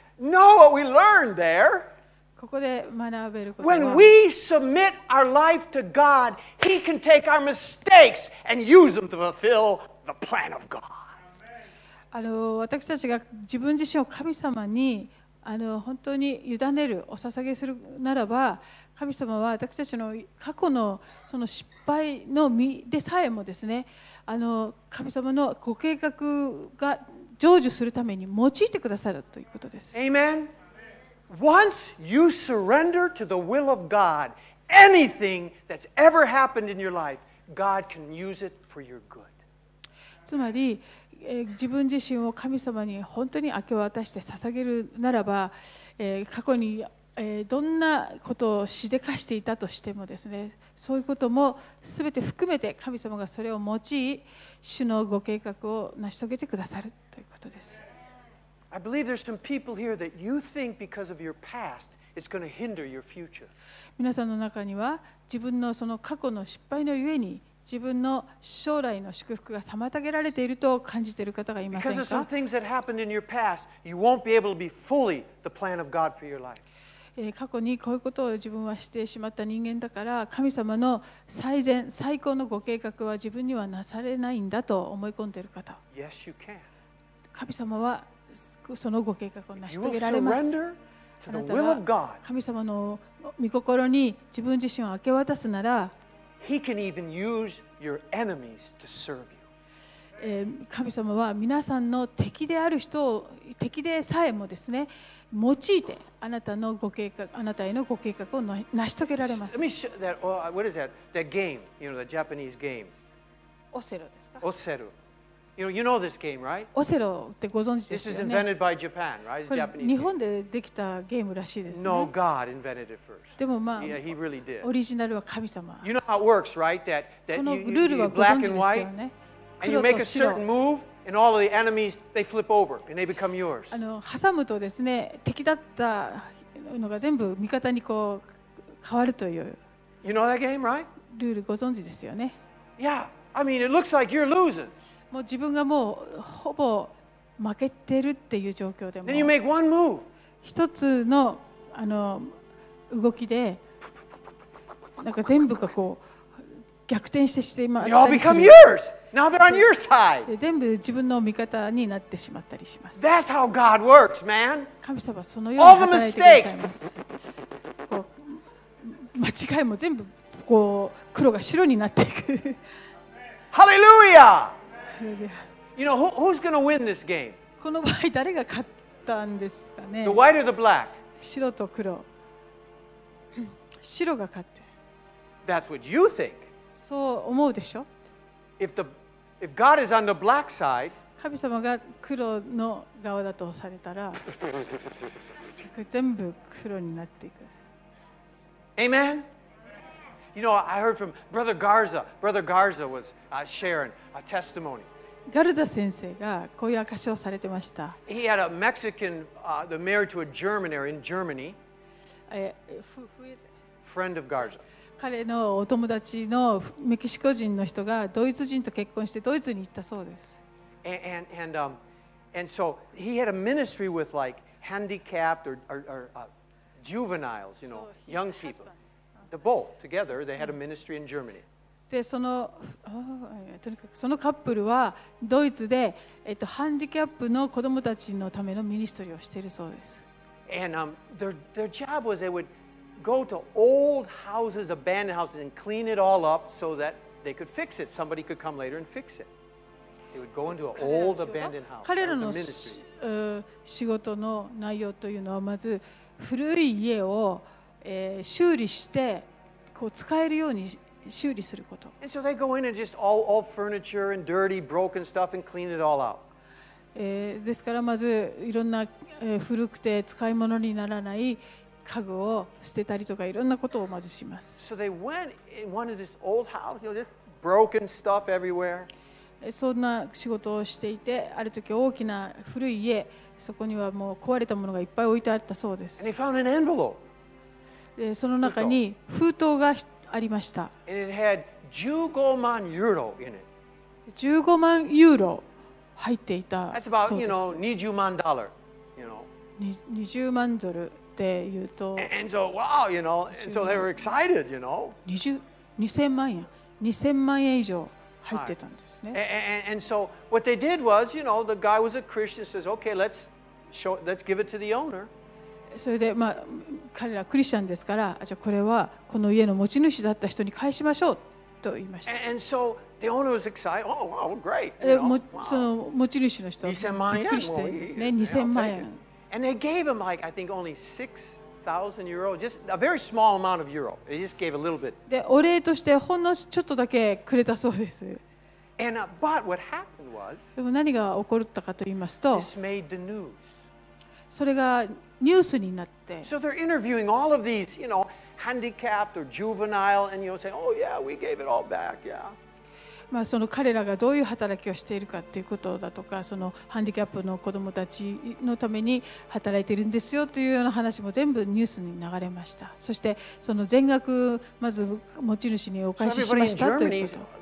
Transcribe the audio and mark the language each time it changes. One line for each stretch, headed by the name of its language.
English: Know what we learned there.
Japanese: ここで学べることは、
English: When we submit our life to God, He can take our mistakes and use them to fulfill the plan of God.
Japanese: あの私たちが自分自身を神様にあの本当に委ねるお捧げするならば神様は私たちの過去 の, その失敗の身でさえもですねあの神様のご計画が成就するために用いてくださるということです。
English: Amen. Once you surrender to the will of God, anything that's ever happened in your life, God can use it for your good.
Japanese: つまり自分自身を神様に本当に明け渡して捧げるならば、過去にどんなことをしでかしていたとしてもですね、そういうこともすべて含めて神様がそれを用い、主のご計画を成し遂げてくださるということです。
English: I believe there's some people here that you think because of your past, it's going to hinder your future.
Japanese: 皆さんの中には自分のその過去の失敗のゆえに自分の将来の祝福が妨げられていると感じている方がいませんか?
English: Because of some things that happened in your past, you won't be able to be fully the plan of God for your life.
Japanese: 過去にこういうことを自分はしてしまった人間だから神様の最善最高のご計画は自分にはなされないんだと思い込んでいる方
English: yes, you can.
Japanese: 神様はそのご計画を成し遂げられます。
English: surrender to the will of God,
Japanese: 神様の御心に自分自身を明け渡すなら
English: He can even use your enemies to serve you.
Japanese: 神様は皆さんの敵である人を敵でさえもですね用いてあなたのご計画、あなたへのご計画を成し遂げられます。
English: Let me show that, what is that? That game, you know, the Japanese game.
Japanese: オセロですか? オセロ。
English: You know this game, right?
Japanese: オセロってご存知ですよね?
English: This is invented by Japan, right?
Japanese: これ日本でできたゲームらしいですね。
English: No, God invented it first.
Japanese: でもまあ、
English: yeah, he really did.
Japanese: オリジナルは神様。
English: You know how it works, right? That, that
Japanese: このルールはご存知ですよね。
English: And you make a certain move. And all of the enemies, they flip over and they become yours.
Japanese: あの挟むとですね、敵だったのが全部味方にこう変わるという。
English: You know that game, right?
Japanese: ルールご存知ですよね。
English: Yeah, I mean, it looks like you're losing.
Japanese: もう自分がもうほぼ負けてるっていう状況でも。
English: Then you make one move.
Japanese: 一つのあの動きで、なんか全部がこう逆転してしまったりする。
English: They all become yours. Now they're on your side.
Japanese: 全部自分の味方になってしまったりします。
English: That's how God works, man.
Japanese: 神様はそのように働いてくださいます。こう間違いも全部こう黒が白になっていく。
English: Hallelujah! You know, who's going to win this game?
Japanese: この場合誰が勝ったんですかね?
English: The white or the black?
Japanese: 白と黒。白が勝ってる。
English: That's what you think.
Japanese: そう思うでしょ?
English: If God is on the black side,
Japanese: 神様が黒の側だとされたら、全部黒になっていく。
English: Amen. You know, I heard from Brother Garza. Brother Garza was sharing a testimony.
Japanese: Garza 先生がこういう証しをされてました。
English: He had a Mexican, the married to a German in Germany. Who is it? Friend of Garza.
Japanese: 彼のお友達のメキシコ人の人がドイツ人と結婚してドイツに行ったそうです。
English: And so he had a ministry with like handicapped or juveniles, you know, young people. The both together, they had a ministry in Germany.
Japanese: でその、とにかくそのカップルはドイツで、ハンディキャップの子供たちのためのミニストリーをしているそうです。
English: And their job was they would. Go to old houses, abandoned houses, and clean it all up so that they could fix it. Somebody could come later and fix it. They would go into an old abandoned house.
Japanese: 彼らの仕事の内容というのはまず古い家を修理してこう使えるように修理すること。
English: And so they go in and just all furniture and dirty, broken stuff and clean it all out.
Japanese: ですからまずいろんな古くて使い物にならない家具を捨てたりとかいろんなことをまずします。
English: So they went in one of this old house, you know, just broken stuff everywhere.
Japanese: そんな仕事をしていて、ある時大きな古い家、そこにはもう壊れたものがいっぱい置いてあったそうです。
English: And they found an envelope.
Japanese: その中に封筒がありました。
English: And it had
Japanese: 15万ユーロ
English: in it.
Japanese: 15万ユーロ入っていた。
English: That's about, you know,
Japanese: 20万ドル。 20万ドル。言うと
English: and so, wow, you know, and so they were excited, you know.
Japanese: 20, 2000万円、2000万円以上入ってたんですね。
English: And so what they did was, you know, the guy was a Christian, says, okay, let's give it to the owner.
Japanese: それで、まあ、彼らクリスチャンですから、じゃあこれはこの家の持ち主だった人に返しましょうと言いました。
English: And so the owner was excited. Oh, wow, great.
Japanese: その持ち主の人はびっくりしてですね、2,000万円。
English: And they gave him like, I think only 6,000 euro, just a very small amount of euro. They just gave a little bit.
Japanese: で、お礼としてほんのちょっとだけくれたそうです。
English: And, but what happened was,
Japanese: でも何が起こったかと言いますと、
English: this made the news.
Japanese: それがニュースになって。
English: So they're interviewing all of these, you know, handicapped or juvenile, and you'll say, oh yeah, we gave it all back, yeah.
Japanese: まあ、その彼らがどういう働きをしているかということだとか、そのハンディキャップの子どもたちのために働いているんですよというような話も全部ニュースに流れました。そしてその全額まず持ち主にお返ししましたということ。